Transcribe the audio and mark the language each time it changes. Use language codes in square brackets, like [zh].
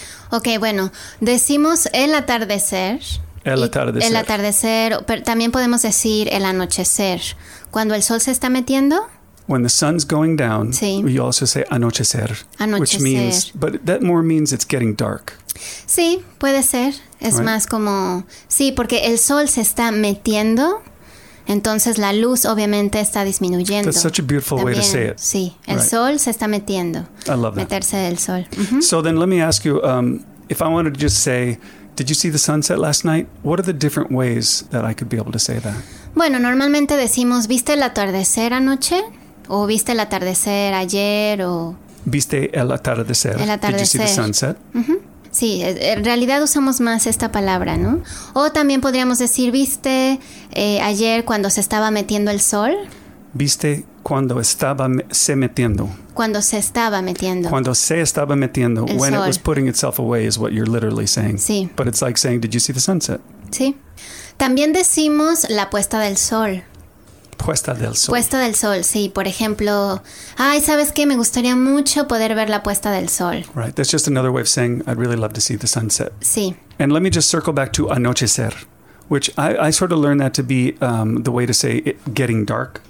[es] Okay, bueno. Decimos el atardecer. El atardecer. El atardecer. Pero también podemos decir el anochecer. Cuando el sol se está metiendo. [en] When the sun's going down, [es] sí. [en] You also say anochecer. [es] Anochecer. [en] Which means, but that more means it's getting dark. [es] Sí, puede ser. Es right. más como, sí, porque el sol se está metiendo, entonces la luz obviamente está disminuyendo. [en] That's such a beautiful [es] También, [en] way to say it. [es] Sí, el right. sol se está metiendo. [en] I love that. [es] Meterse el sol. Mm-hmm. [en] So then let me ask you, if I wanted to just say, did you see the sunset last night? What are the different ways that I could be able to say that? [es] Bueno, normalmente decimos, ¿viste el atardecer anoche? O ¿viste el atardecer ayer? O ¿viste el atardecer? El atardecer. [en] Did you see the sunset? Mm-hmm. [es] Sí, en realidad usamos más esta palabra, ¿no? O también podríamos decir, ¿viste ayer cuando se estaba metiendo el sol? ¿Viste cuando estaba se metiendo? Cuando se estaba metiendo. Cuando se estaba metiendo. El [en] when [es] sol. [en] It was putting itself away is what you're literally saying. [es] Sí. [en] But it's like saying, did you see the sunset? [es] Sí. También decimos la puesta del sol. Puesta del sol. Puesta del sol, sí. Por ejemplo, ay, ¿sabes qué? Me gustaría mucho poder ver la puesta del sol. [en] Right. That's just another way of saying, I'd really love to see the sunset. [es] Sí. [en] And let me just circle back to anochecer, which I sort of learned that to be the way to say it getting dark.